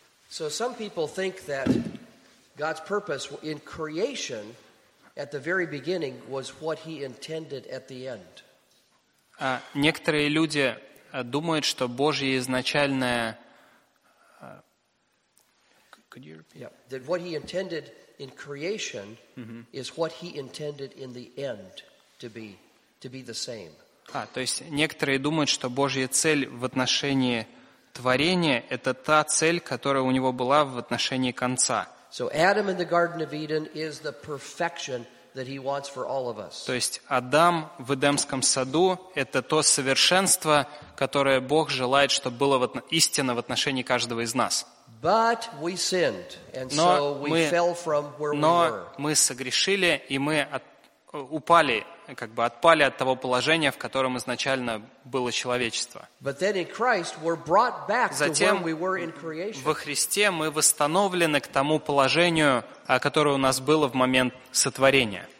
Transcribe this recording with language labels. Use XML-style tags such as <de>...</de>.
<en>So some people think that God's purpose in creation at the very beginning was what he intended at the end.</en> <ru>Некоторые люди думают, что Божье изначальное...</ru> <en>Could you repeat? Yeah, that what he intended in creation is what he intended in the end to be the same.</en> <ru>То есть некоторые думают, что Божья цель в отношении творения — это та цель, которая у него была в отношении конца.</ru> <en>So Adam in the Garden of Eden is the perfection that he wants for all of us.</en> <ru>То есть Адам в Эдемском саду — это то совершенство, которое Бог желает, чтобы было истинно в отношении каждого из нас.</ru> <en>But we sinned, and so we fell from where we were.</en> <ru>Но мы согрешили, и мы упали, как бы отпали от того положения, в котором изначально было человечество.</ru> <en>But then in Christ we're brought back</en> <ru>Затем,</ru> <en>to where we were in creation.</en> <ru>Во Христе мы восстановлены к тому положению, которое у нас было в момент сотворения.</ru>